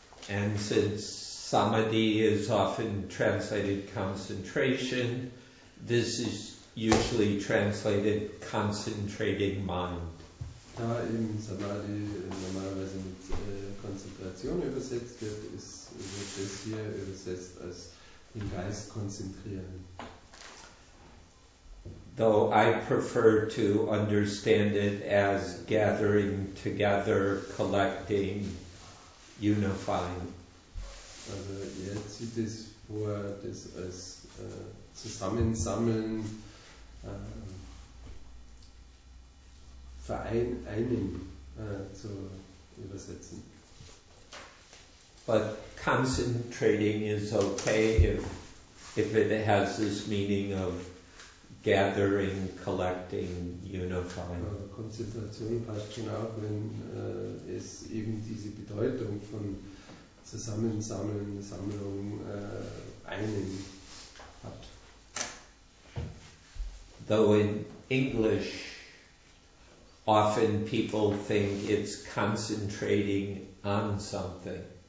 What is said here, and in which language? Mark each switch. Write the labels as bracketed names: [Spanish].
[English] And since samadhi is often translated concentration, this is usually translated concentrating mind. [German] Da eben Samadhi normalerweise mit Konzentration übersetzt wird, wird das hier übersetzt als den Geist konzentrieren. [English] Though I prefer to understand it as gathering together, collecting, unifying. [German] Also er zieht es vor, das als zusammensammeln, zu übersetzen. [English] But concentrating is okay if it has this meaning of gathering, collecting, unifying. [German] Konzentration passt schon auch, wenn es eben diese Bedeutung von zusammensammeln, Sammlung, einen hat. [English] Though in English, often people think it's concentrating on something.